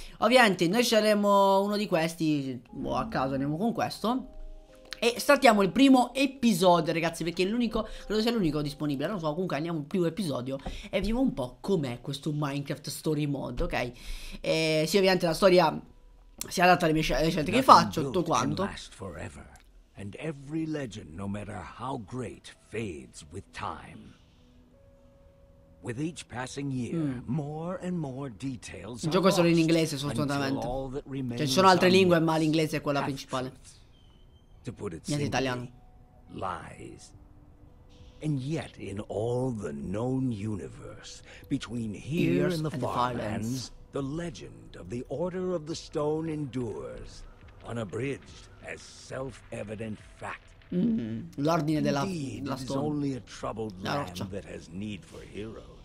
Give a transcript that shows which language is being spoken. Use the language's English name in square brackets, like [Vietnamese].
[Italian] Ovviamente noi sceglieremo uno di questi, a caso andiamo con questo. E startiamo il primo episodio, ragazzi, perché è l'unico, credo sia l'unico disponibile. Non so, comunque andiamo al primo episodio e vediamo un po' com'è questo Minecraft Story Mode, ok? Sì, ovviamente la storia si adatta alle mie scelte che faccio, tutto quanto. [English] Forever, and every legend, no matter how great, fades with time. With each passing year, more and more details. [Italian] Il gioco è solo in inglese, sostanzialmente. Cioè, ci sono altre lingue, ma l'inglese è quella principale. [English] To put it simply, lies. And yet, in all the known universe, between here and the Farlands, the legend of the Order of the Stone endures, unabridged as self-evident fact. [Italian] L'ordine della Stone. [English] Indeed, it is only a troubled land that has need for heroes.